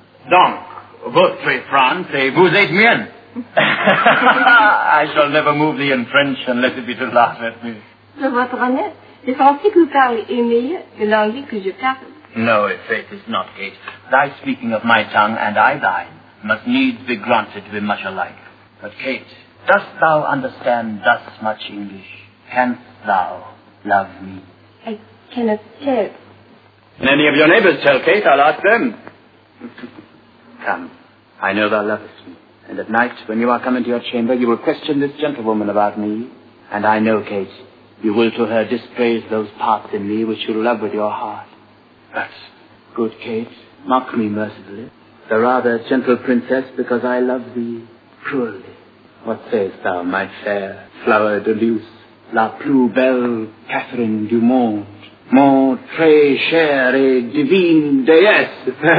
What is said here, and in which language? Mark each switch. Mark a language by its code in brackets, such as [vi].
[fr] Donc, votre France et vous êtes mienne. [en] I shall never move thee in French unless it be to laugh at me. [fr] De votre honneur, le français que vous parlez est meilleur que l'anglais que je parle. [en] No, if faith is not, Kate. Thy speaking of my tongue and I thine must needs be granted to be much alike. But, Kate, dost thou understand thus much English? Canst thou love me? I cannot tell. Any of your neighbors tell, Kate, I'll ask them. Come, I know thou lovest me. And at night, when you are come into your chamber, you will question this gentlewoman about me. And I know, Kate, you will to her dispraise those parts in me which you love with your heart. But, good Kate, mock me mercifully. The rather gentle princess, because I love thee cruelly. What sayest thou, my fair flower de luce? [fr] La plus belle Catherine du monde, mon très chère et divine déesse.